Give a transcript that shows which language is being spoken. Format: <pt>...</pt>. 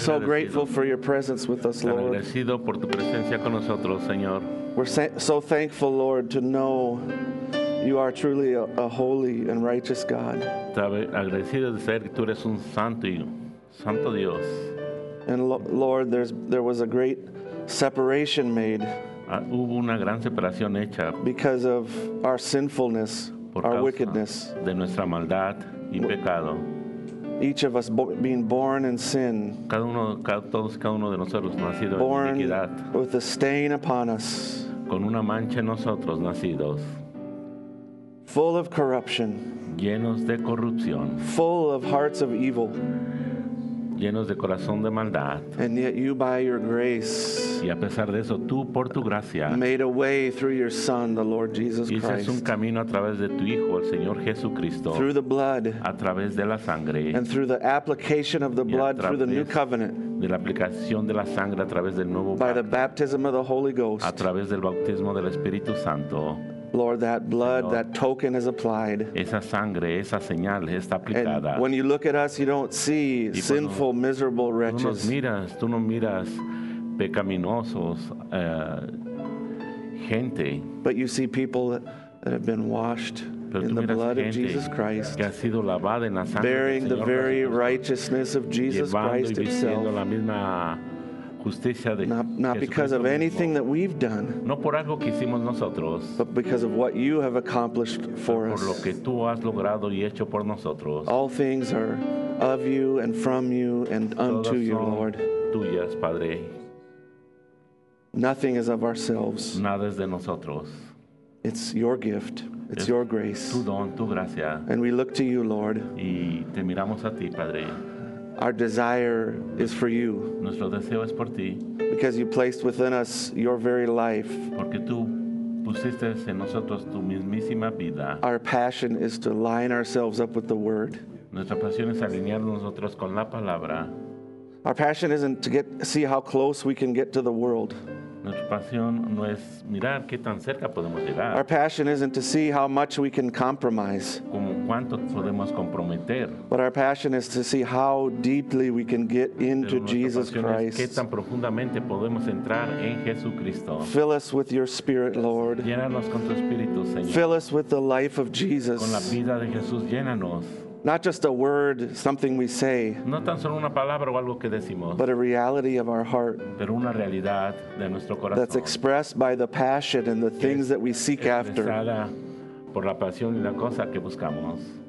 <en>So grateful for your presence with us, Lord.</en> <es>Agradecido por tu presencia con nosotros, Señor.</es> <en>We're so thankful, Lord, to know you are truly a holy and righteous God.</en> <es>Agradecido de saber que tú eres un santo y santo Dios.</es> <en>And Lord, there was a great separation made.</en> <es>Hubo una gran separación hecha.</es> <en>Because of our sinfulness, our wickedness.</en> <es>De nuestra maldad y pecado.</es> <en>Each of us being born in sin.</en> <es>Cada uno de nosotros nacido en iniquidad.</es> <en>Born with a stain upon us.</en> <es>Con una mancha en nosotros nacidos.</es> <en>Full of corruption.</en> <es>Llenos de corrupción.</es> <en>Full of hearts of evil.</en> <es>Llenos de corazón de maldad.</es> <en>And yet you by your grace.</en> <es>Y a pesar de eso, tú por tu gracia.</es> <en>Made a way through your son, the Lord Jesus Christ.</en> <es>Hiciste un camino a través de tu hijo, el Señor Jesucristo.</es> <en>Through the blood.</en> <es>A través de la sangre.</es> <en>And through the application of the blood through the new covenant.</en> <es>De la aplicación de la sangre a través del nuevo pacto.</es> <en>By the baptism of the Holy Ghost.</en> <es>A través del bautismo del Espíritu Santo.</es> <en>Lord, that blood, Señor, that token is applied.</en> <es>Esa sangre, esa señal está aplicada.</es> <en>And when you look at us, you don't see sinful, miserable wretches.</en> <es>Tú no miras pecaminosos gente.</es> <en>But you see people that have been washed in the blood of Jesus Christ.</en> <es>Que ha sido lavada en la sangre.</es> <en>Bearing the very Jesus righteousness of Jesus Christ himself.</en> <es>La misma justicia de</es> <en>not because of anything</en> <es>mismo.</es> <en>That we've done,</en> <es>no por algo que hicimos nosotros,</es> <en>but because of what you have accomplished for</en> <es>por lo que tú has logrado y hecho por nosotros.</es> <en>All things are of you and from you and</en> <es>todas</es> <en>unto you, Lord.</en> <es>Tuyas, Padre.</es> <en>Nothing is of ourselves.</en> <es>Nada es de nosotros.</es> <en>It's your gift. It's your grace.</en> <es>Tu don, tu gracia.</es> <en>And we look to you, Lord.</en> <es>Y te miramos a ti, Padre.</es> <en>Our desire is for you.</en> <es>Nuestro deseo es por ti.</es> <en>Because you placed within us your very life.</en> <es>Porque tú pusiste en nosotros tu mismísima vida.</es> <en>Our passion is to line ourselves up with the word.</en> <es>Nuestra pasión es alinearnos nosotros con la palabra.</es> <en>Our passion isn't to see how close we can get to the world.</en> <es>Nuestra pasión no es mirar qué tan cerca podemos llegar.</es> <en>Our passion isn't to see how much we can compromise.</en> <es>Como cuánto podemos comprometer.</es> <en>But our passion is to see how deeply we can get into Jesus Christ.</en> <es>Qué tan profundamente podemos entrar en Jesucristo.</es> <en>Fill us with your spirit, Lord.</en> <es>Llénanos con tu espíritu, Señor.</es> <en>Fill us with the life of Jesus.</en> <es>Con la vida de Jesús, llénanos.</es> <en>Not just a word, something we say,</en> <es>no tan solo una palabra o algo que decimos,</es> <en>but a reality of our heart,</en> <es>pero una realidad de nuestro corazón,</es> <en>that's expressed by the passion and the things that we seek after.</en> <es>Por la pasión y la cosa que buscamos.</es>